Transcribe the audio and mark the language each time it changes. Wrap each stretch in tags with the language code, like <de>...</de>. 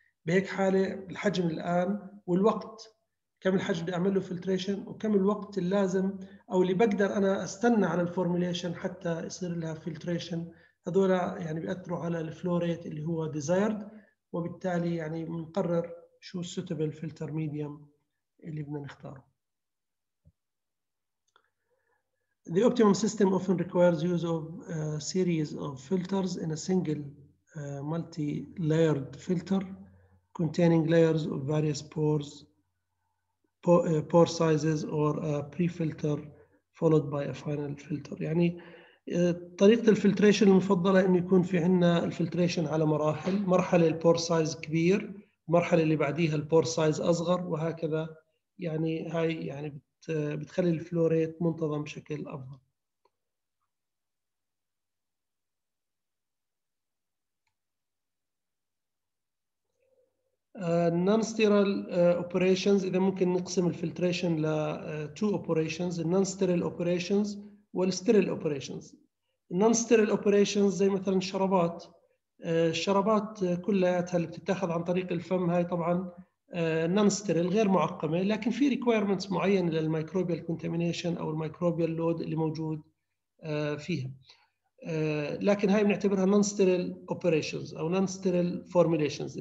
<ar>بهيك حالة الحجم الآن والوقت، كم الحجم بدي أعمله فلتريشن وكم الوقت اللازم أو اللي بقدر أنا أستنى على الفورموليشن حتى يصير لها فلتريشن، هذولا يعني بيأثروا على الفلوريت اللي هو ديزايرد، وبالتالي يعني بنقرر شو السوتبل فلتر ميديوم اللي بدنا نختاره.</ar> <en>The optimum system often requires use of a series of filters in a single multi-layered filter containing layers of various pores, pore sizes or a pre-filter followed by a final filter.</en> <ar>يعني طريقة الفلتريشن المفضلة إنه يكون في عنا الفلتريشن على مراحل، مرحلة البور سايز كبير، مرحلة اللي بعديها البور سايز أصغر وهكذا، يعني هاي يعني بتخلي الفلوريت منتظم بشكل أفضل.</ar> <en>Non-sterile operations،</en> <ar>إذا ممكن نقسم الفلتريشن ل</ar> <en>two operations، non-sterile operations</en> <ar>وال</ar> <en>sterile operations.</en> <ar>Non-sterile operations زي مثلا الشرابات، الشرابات كلياتها اللي بتتاخذ عن طريق الفم هاي طبعا non-sterile غير معقمة، لكن في requirements معينة للميكروبيال contamination أو الميكروبيال لود اللي موجود فيها، لكن هاي بنعتبرها</ar> <en>non-sterile operations</en> <ar>أو</ar> <en>non-sterile formulations.</en>